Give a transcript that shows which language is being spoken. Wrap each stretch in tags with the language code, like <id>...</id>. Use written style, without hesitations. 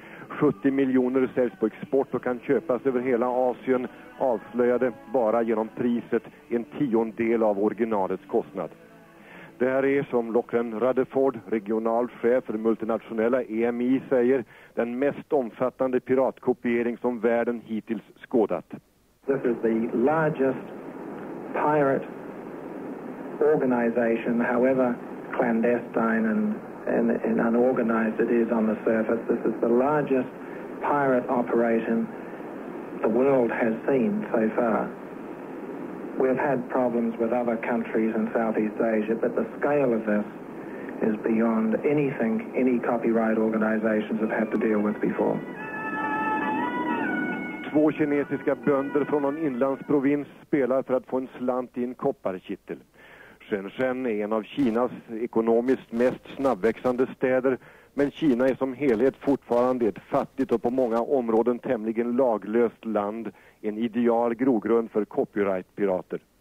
<sv>70 miljoner säljs på export och kan köpas över hela Asien, avslöjade bara genom priset en tiondel av originalets kostnad. Det här är, som Lachlan Rutherford, regionalchef för multinationella EMI, säger, den mest omfattande piratkopiering som världen hittills skådat.</sv> <en>This is the largest pirate organization, however clandestine and unorganized it is on the surface, this is the largest pirate operation the world has seen so far. We've had problems with other countries in Southeast Asia, but the scale of this is beyond anything any copyright organizations have had to deal with before.</en> <sv>Två kinesiska bönder från någon inlandsprovins spelar för att få en slant i en kopparkittel. Shenzhen är en av Kinas ekonomiskt mest snabbväxande städer, men Kina är som helhet fortfarande ett fattigt och på många områden tämligen laglöst land, en ideal grogrund för copyright-pirater.</sv>